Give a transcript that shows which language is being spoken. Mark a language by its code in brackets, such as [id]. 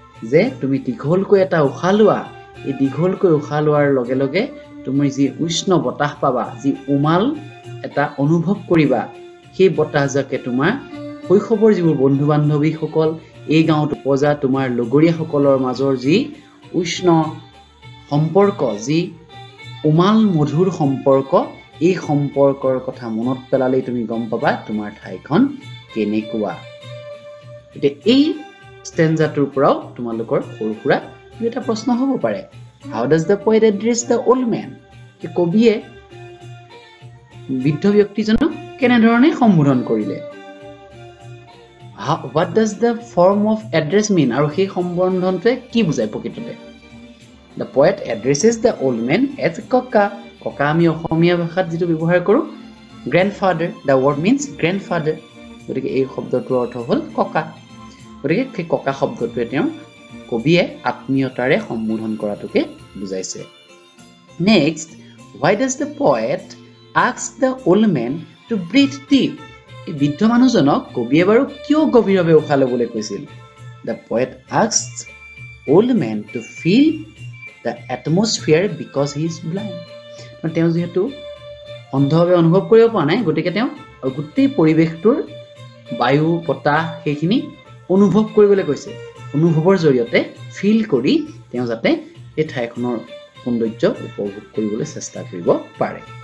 [as] যে তুমি দীঘলকৈ এটা উশাহ লোৱা এই দীঘলকৈ উশাহ লোৱাৰ লগে লগে তুমি যি উষ্ণ বতাহ পাবা যি উমাল এটা অনুভৱ কৰিবা সেই বতাহজাকে তোমাৰ শৈশৱৰ যিবোৰ বন্ধু বান্ধৱীসকল এই গাঁৱত উপজা তোমাৰ লগৰীয়াসকলৰ মাজৰ যি উষ্ণ সম্পৰ্ক যি উমাল মধুৰ সম্পৰ্ক এই সম্পৰ্কৰ কথা মনত পেলালেই তুমি গম পাবা তোমাৰ ঠাইখন কেনেকুৱা এতিয়া এই স্টেঞ্জাটোৰ পৰাও তোমালোকৰ সৰু সুৰা এটা প্ৰশ্ন হ'ব পাৰে [en] how does the poet address the old men [as] কবিয়ে বৃদ্ধ ব্যক্তিজনক কেনেধৰণে সম্বোধন কৰিলে [en] What does the form of address mean? [as] আৰু সেই সম্বন্ধনটোৱে কি বুজায় প্ৰকৃততে? [en] The poet addresses the old man as kaka. [as] Kaka আমি অসমীয়া ভাষাত যিটো ব্যৱহাৰ কৰোঁ, [en] grandfather. The word means grandfather. [as] গতিকে এই শব্দটোৰ অৰ্থ হ'ল কাকা। গতিকে সেই কাকা শব্দটোৱে তেওঁ কবিয়ে আত্মীয়তাৰে সম্বোধন কৰাটোকে বুজাইছে। [en] Next, why does the poet ask the old man to breathe deep? [as] এই বৃদ্ধ মানুহজনক কবিয়ে বাৰু কিয় গভীৰভাৱে উশাহ ল'বলৈ কৈছিল? [en] The poet asks the old man to feel the atmosphere because he is blind. [as] তেওঁ যিহেতু অন্ধভাৱে অনুভৱ কৰিব পৰা নাই, গতিকে তেওঁ গোটেই পৰিৱেশটোৰ বায়ু বতাহ সেইখিনি অনুভৱ কৰিবলৈ কৈছে। অনুভৱৰ জৰিয়তে ফিল কৰি তেওঁ যাতে এই ঠাইখনৰ সৌন্দৰ্য উপভোগ কৰিবলৈ চেষ্টা কৰিব পাৰে।